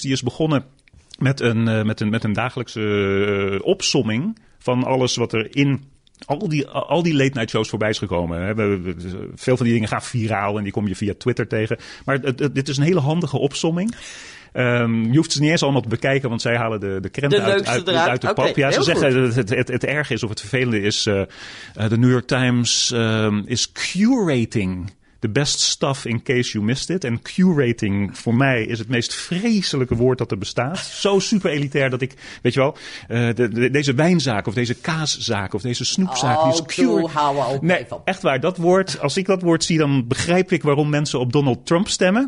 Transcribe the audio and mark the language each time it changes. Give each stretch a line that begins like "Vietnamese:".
Dutch: Die is begonnen met een dagelijkse opsomming van alles wat er in Al die late night shows voorbij is gekomen. Veel van die dingen gaan viraal en die kom je via Twitter tegen. Maar dit is een hele handige opsomming. Je hoeft ze niet eens allemaal te bekijken, want zij halen de krenten uit de pap. Okay, ja, ze zeggen dat het erg is of het vervelende is.
English: De New York Times is curating the best stuff in case you missed it.
Dutch: En curating voor mij is het meest vreselijke woord dat er bestaat. Zo super elitair dat ik, weet je wel, deze wijnzaak of deze kaaszaak of deze snoepzaak. Oh, die is cure. Nee, echt waar, dat woord, als ik dat woord zie, dan begrijp ik waarom mensen op Donald Trump stemmen.